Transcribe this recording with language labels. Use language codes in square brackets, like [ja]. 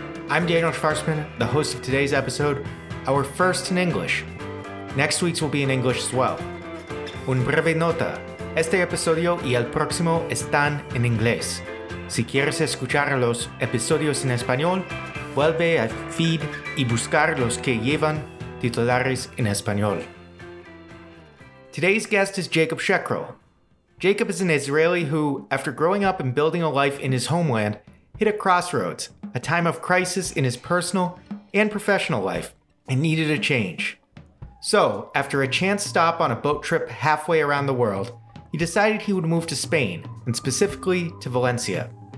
[en] I'm Daniel Schwarzman, the host of today's episode, our first in English. Next week's will be in English as well. [es] Un breve nota, este episodio y el próximo están en inglés. Si quieres escuchar los episodios en español, vuelve a feed y buscar los que llevan titulares en español. [en] Today's guest is Jacob Shekro. Jacob is an Israeli who, after growing up and building a life in his homeland, hit a crossroads, a time of crisis in his personal and professional life, and needed a change. So, after a chance stop on a boat trip halfway around the world, he decided he would move to Spain, and specifically to Valencia.